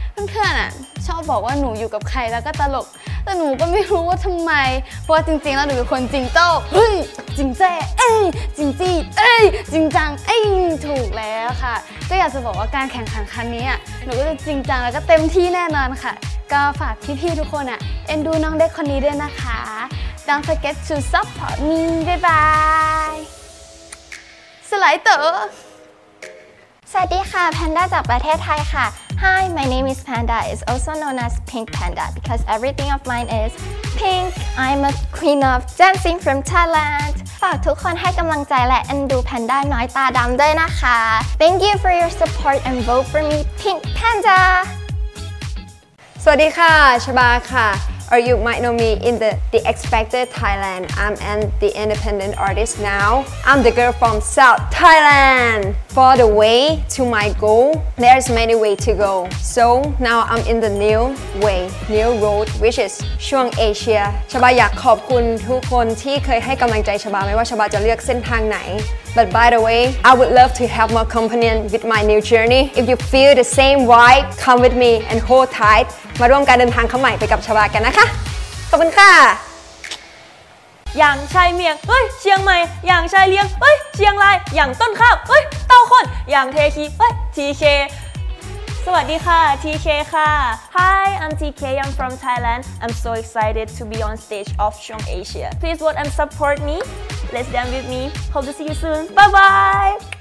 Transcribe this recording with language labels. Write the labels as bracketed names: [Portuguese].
[Thai] เพื่อนๆอ่ะชอบบอกว่าหนูอยู่กับใครแล้วก็ตลกแต่หนูก็ไม่รู้ว่าทำไมเพราะจริงๆแล้วหนูเป็นคนจริงโต้จริงแจ้จริงจี้จริงจี้เอ้ยจริงจังเอ้ยถูกแล้วค่ะก็อยากจะบอกว่าการแข่งขันครั้งนี้หนูก็จะจริงจังแล้วก็เต็มที่แน่นอนค่ะก็ฝากพี่ๆทุกคนอ่ะเอ็นดูน้องเด็กคนนี้ด้วยนะคะ [English] Don't forget to support me [Thai] บ๊ายบายสไลด์เต๋อ สวัสดีค่ะแพนด้าจากประเทศไทยค่ะ [English] Hi, my name is Panda. It's also known as Pink Panda because everything of mine is pink. I'm a queen of dancing from Thailand. [Thai] ฝากทุกคนให้กำลังใจและเอ็นดูแพนด้าน้อยตาดำด้วยนะคะ [English] Thank you for your support and vote for me, Pink Panda. [Thai] สวัสดีค่ะชบาค่ะ [English] Or you might know me in the expected Thailand. I'm an the independent artist now. I'm the girl from South Thailand. For the way to my goal, there's many way to go. So now I'm in the new way, new road, which is [Thai] ช่วงเอเชียชบาอยากขอบคุณทุกคนที่เคยให้กำลังใจชบาไม่ว่าชบาจะเลือกเส้นทางไหน [English] But by the way, I would love to have more company with my new journey. If you feel the same vibe, come with me and hold tight. [Thai] มาร่วมการเดินทางครั้งใหม่ไปกับชบากันนะคะขอบคุณค่ะ อย่างชายเมียงเฮ้ยเชียงใหม่อย่างชายเลียงเฮ้ยเชียงรายอย่างต้นข้าวเฮ้ยเต้าข้นอย่างเทคีเฮ้ยทีเคสวัสดีค่ะทีเคค่ะ [English] Hi I'm TK I'm from Thailand I'm so excited to be on stage of Chung Asia Please vote and support me Let's dance with me Hope to see you soon Bye bye